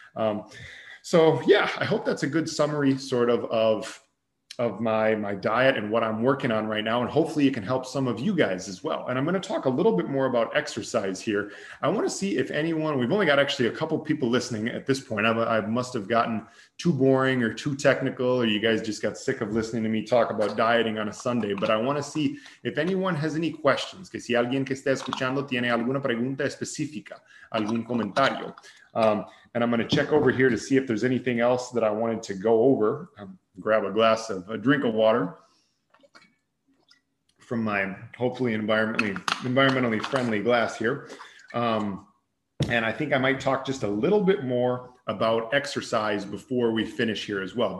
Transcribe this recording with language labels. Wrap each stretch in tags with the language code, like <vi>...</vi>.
<en>I hope that's a good summary sort of my diet and what I'm working on right now. And hopefully it can help some of you guys as well. And I'm going to talk a little bit more about exercise here. I want to see if anyone, we've only got actually a couple people listening at this point. I must have gotten too boring or too technical, or you guys just got sick of listening to me talk about dieting on a Sunday. But I want to see if anyone has any questions.</en> <es>Que si alguien que está escuchando tiene alguna pregunta específica, algún comentario.</es> <en>And I'm going to check over here to see if there's anything else that I wanted to go over. Grab a glass of a drink of water from my hopefully environmentally friendly glass here. And I think I might talk just a little bit more about exercise before we finish here as well.</en>